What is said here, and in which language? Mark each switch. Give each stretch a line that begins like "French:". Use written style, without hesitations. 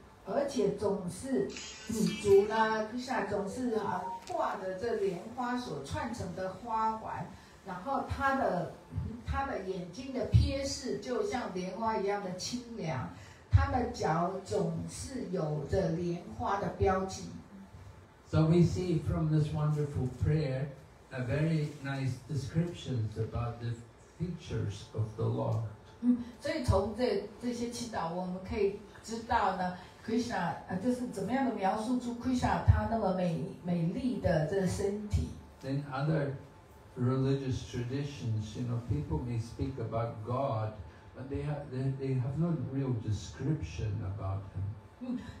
Chinese: 而且总是主呢，Krishna总是挂着这莲花所串成的花环，然后他的眼睛的瞥视就像莲花一样的清凉，他的脚总是有着莲花的标记。
English: So we see from this wonderful prayer a very nice descriptions about the features of the Lord.
Chinese: 所以从这些祈祷，我们可以知道呢。 Krishna，就是怎么样的描述出Krishna他那么美丽的这身体。
English: In other religious traditions, you know, people may speak about God, but they have no real description about him.